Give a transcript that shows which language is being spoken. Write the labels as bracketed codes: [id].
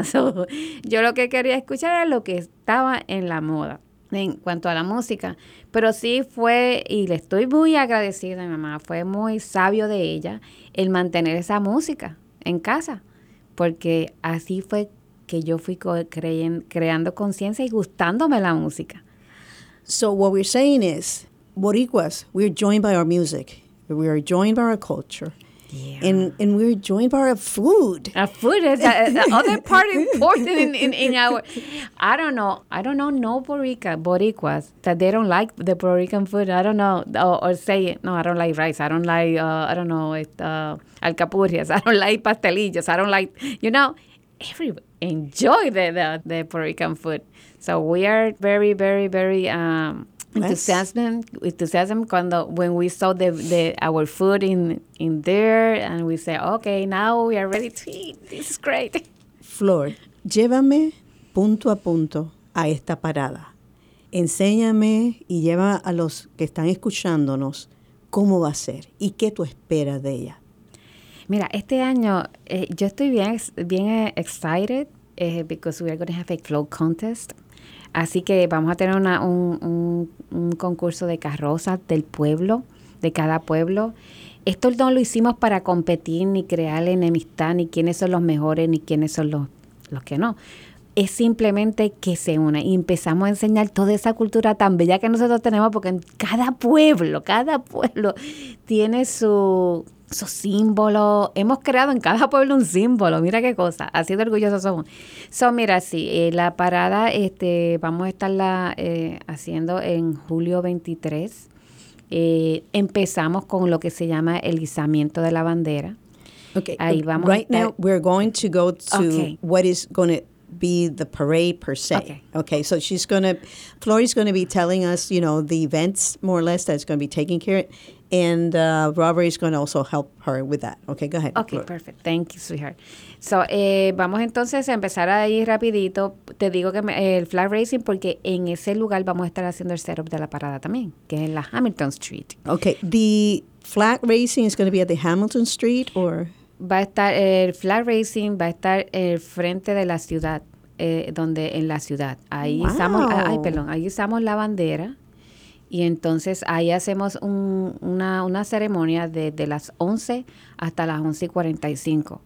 [es] So, yo lo que quería escuchar era lo que estaba en la moda en cuanto a la música. Pero sí fue, y le estoy muy agradecida a mi mamá, fue muy sabio de ella el mantener esa música en casa, porque así fue que yo fui creando conciencia y gustándome la música. [en] So what we're saying is, Boricuas, we are joined by our music. We are joined by our culture. Yeah. And we are joined by our food. Our food is the other part important in our... I don't know no Boricua, Boricuas, that they don't like the Puerto Rican food. I don't know. Or say it. No, I don't like rice. I don't like, alcapurrias. I don't like pastelillos. I don't like... You know, everybody enjoy the Puerto Rican food. So we are very, very, very... Enthusiasm when we saw the our food in there and we say, okay, now we are ready to eat. This is great. Flor, llévame punto a punto a esta parada. Enséñame y lleva a los que están escuchándonos cómo va a ser y qué tú esperas de ella. [es] Mira, este año yo estoy bien [en] excited because we are going to have a float contest. [es] Así que vamos a tener un concurso de carrozas del pueblo, de cada pueblo. Esto no lo hicimos para competir, ni crear enemistad, ni quiénes son los mejores, ni quiénes son los que no. Es simplemente que se une y empezamos a enseñar toda esa cultura tan bella que nosotros tenemos, porque en cada pueblo tiene su símbolo. Hemos creado en cada pueblo un símbolo. Mira qué cosa. Así de orgullosos somos. So, mira, sí, la parada vamos a estarla haciendo en julio 23. Empezamos con lo que se llama el izamiento de la bandera. Okay. Ahí vamos. [en] Right now we're going to go to what is going to be the parade per se. Okay. So she's going to, Flory's going to be telling us, you know, the events more or less that's going to be taking care of. And Robert is going to also help her with that. Okay, go ahead. Okay, Flor. Perfect. Thank you, sweetheart. So, [es] vamos entonces a empezar ahí rapidito. Te digo que el flag raising, porque en ese lugar vamos a estar haciendo el setup de la parada también, que es en la Hamilton Street. [en] Okay, the flag raising is going to be at the Hamilton Street, or? [es] Va a estar, el flag raising va a estar el frente de la ciudad, donde en la ciudad. Ahí wow. Usamos, ahí usamos la bandera. Y entonces ahí hacemos una ceremonia de las 11 hasta las 11:45.